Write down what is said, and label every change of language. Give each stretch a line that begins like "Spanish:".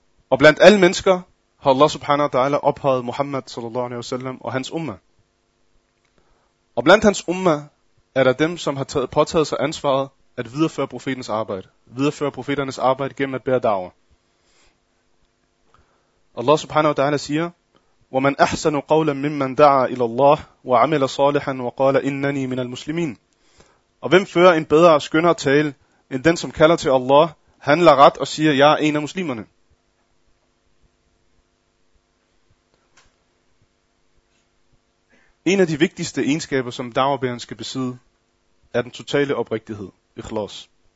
Danish: Og blandt alle mennesker har Allah subhanahu wa ta'ala ophøjet Muhammad sallallahu alaihi wasallam og hans umma. Og blandt hans umma er der dem, som har påtaget sig ansvaret at videreføre profetens arbejde. Videreføre profeternes arbejde gennem at bære da'wah.
Arabic: Allah subhanahu wa ta'ala siger, وَمَنْ أَحْسَنُ قَوْلًا مِمَّنْ دَعَى إِلَى اللَّهِ وَعَمِلَ صَالِحًا وَقَالَ إِنَّنِي مِنَ الْمُسْلِمِينَ.
Danish: Og hvem fører en bedre og skønnere tale, end den som kalder til Allah, handler ret og siger, jeg er en af muslimerne. En af de vigtigste egenskaber, som da'wabæren skal besidde, er den totale oprigtighed, ikhlas.